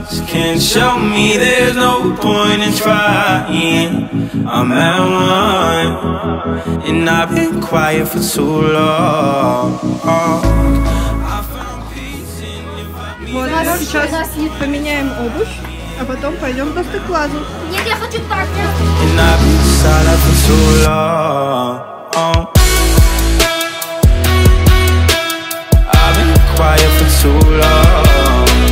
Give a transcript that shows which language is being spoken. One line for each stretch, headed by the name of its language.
English: Can't show me there's no point in trying. I'm at one, and I've been quiet for too long.
Russian: Вот сейчас поменяем обувь, а потом пойдем до стеклазу. Нет, я хочу так.
English: And I've been silent for too long. I've been quiet for too long.